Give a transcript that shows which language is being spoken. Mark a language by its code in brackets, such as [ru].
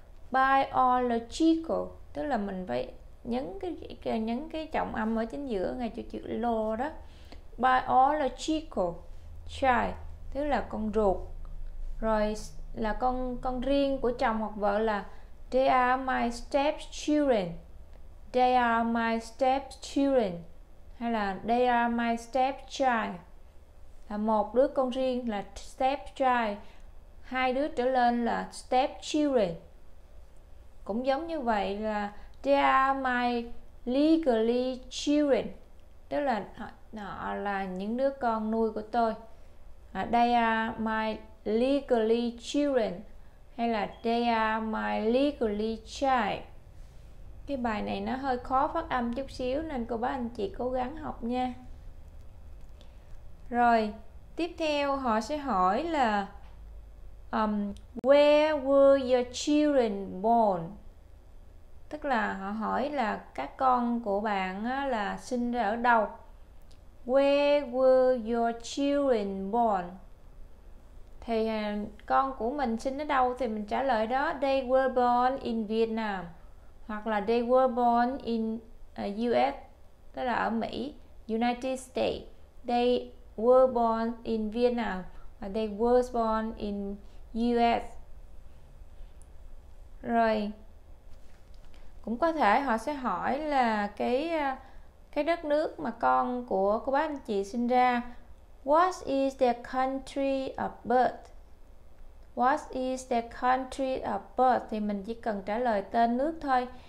[vi] Biological tức là mình phải nhấn cái trọng âm ở chính giữa ngay chỗ chữ lo đó. [en] Biological child [vi] tức là con ruột. Rồi là con riêng của chồng hoặc vợ là [en] they are my stepchildren. They are my stepchildren [vi] hay là [en] they are my stepchild. [vi] Là một đứa con riêng là step child, hai đứa trở lên là step children. Cũng giống như vậy là [en] they are my legally children, [vi] tức là họ là những đứa con nuôi của tôi. [en] They are my legally children [vi] hay là [en] they are my legally child. [vi] Cái bài này nó hơi khó phát âm chút xíu nên cô bác anh chị cố gắng học nha. Rồi tiếp theo họ sẽ hỏi là [en] where were your children born? [vi] Tức là họ hỏi là các con của bạn á, là sinh ra ở đâu? [en] Where were your children born? [vi] Thì con của mình sinh ở đâu thì mình trả lời đó, [en] they were born in Vietnam [vi] hoặc là [en] they were born in US, [vi] tức là ở Mỹ, United States. [en] They were born in Vietnam [vi] và [en] they were born in US. [vi] Rồi cũng có thể họ sẽ hỏi là cái đất nước mà con của cô bác anh chị sinh ra, [en] what is the country of birth? What is the country of birth? [vi] Thì mình chỉ cần trả lời tên nước thôi.